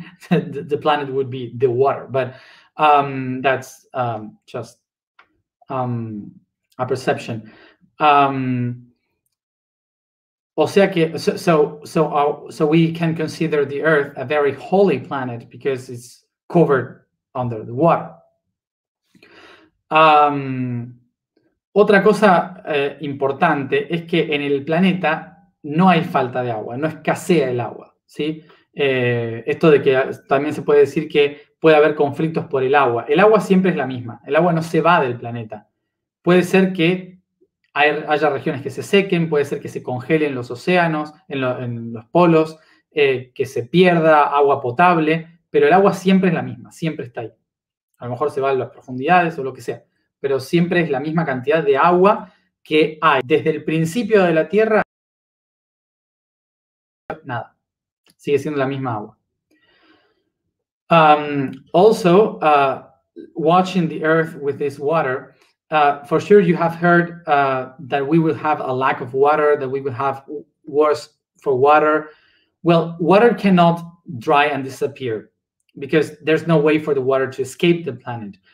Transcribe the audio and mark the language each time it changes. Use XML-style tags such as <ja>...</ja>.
<en>The planet would be the water. But that's just a perception.</en> <es>O sea que,</es> <en>so we can consider the Earth a very holy planet because it's covered under the water.</en> <es>Otra cosa importante es que en el planeta no hay falta de agua, no escasea el agua, ¿sí? Esto de que también se puede decir que puede haber conflictos por el agua siempre es la misma, el agua no se va del planeta. Puede ser que haya regiones que se sequen, puede ser que se congelen los océanos, en los polos, que se pierda agua potable. Pero el agua siempre es la misma, siempre está ahí. A lo mejor se va a las profundidades o lo que sea, pero siempre es la misma cantidad de agua que hay. Desde el principio de la Tierra, nada, sigue siendo la misma agua.</es> <en>Also, watching the Earth with this water, for sure you have heard that we will have a lack of water, that we will have wars for water. Well, water cannot dry and disappear. Because there's no way for the water to escape the planet.</en>